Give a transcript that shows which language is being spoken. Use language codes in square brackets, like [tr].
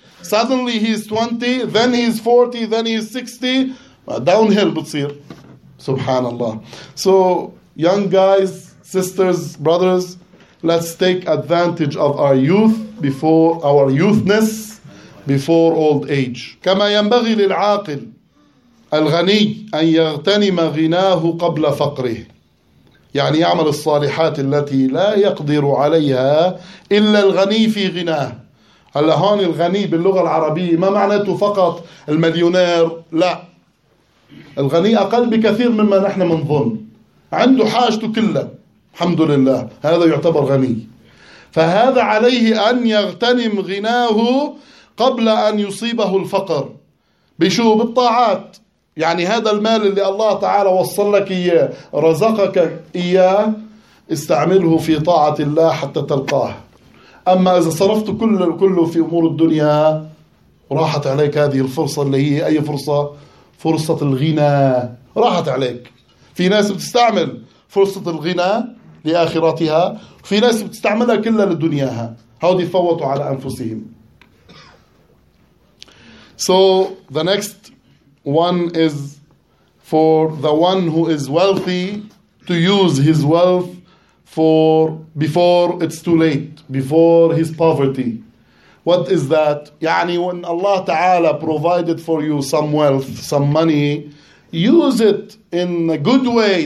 [en] Suddenly he's 20, then he's 40, then he's 60. Downhill [ar] بتصير, [en] subhanAllah. So, young guys, sisters, brothers, let's take advantage of our youth before our youthness, before old age. [ar] كما ينبغي للعاقل الغني أن يغتنم غناه قبل فقره. يعني يعمل الصالحات التي لا يقدر عليها إلا الغني في غناه. هلا هون الغني باللغة العربية ما معناته فقط المليونير، لا. الغني أقل بكثير مما نحن منظن. عنده حاجته كلها. الحمد لله، هذا يعتبر غني. فهذا عليه أن يغتنم غناه قبل أن يصيبه الفقر. بشو؟ بالطاعات. يعني هذا المال اللي الله تعالى وصل لك إياه، رزقك إياه، استعمله في طاعة الله حتى تلقاه. أما إذا صرفت كله في أمور الدنيا راحت عليك هذه الفرصة اللي هي أي فرصة؟ فرصة الغنى راحت عليك. في ناس بتستعمل فرصة الغنى لآخرتها، في ناس بتستعملها كلها لدنياها، هودي فوتوا على أنفسهم. [en] So the next one is for the one who is wealthy to use his wealth for before it's too late, before his poverty. What is that? يعني when Allah Ta'ala provided for you some wealth, some money, use it in a good way.